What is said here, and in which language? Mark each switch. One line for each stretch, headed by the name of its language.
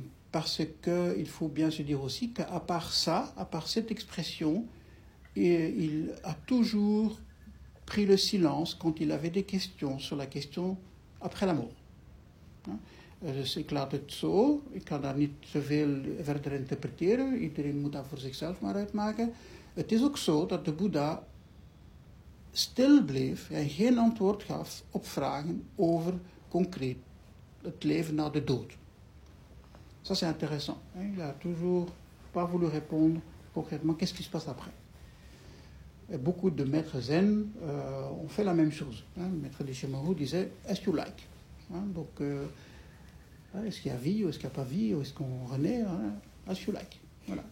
French: Parce qu'il faut bien se dire aussi qu'à part ça, à part cette expression... Et il a toujours pris le silence quand il avait des questions sur la question après la mort.
Dutch: Dus ik laat het zo, ik kan daar niet te veel verder interpreteren, iedereen moet dat voor zichzelf maar uitmaken. Het is ook zo dat de Boeddha stil bleef en geen antwoord gaf op vragen over concreet het leven na de dood.
French: Ça c'est intéressant, il a toujours pas voulu répondre concrètement qu'est-ce qui se passe après. Et beaucoup de maîtres zen ont fait la même chose. Hein. Le maître Deshimaru disait «
English: as you like
French: hein, ». Donc, est-ce qu'il y a vie ou est-ce qu'il n'y a pas vie ou est-ce qu'on renaît hein, « as you like ». Voilà.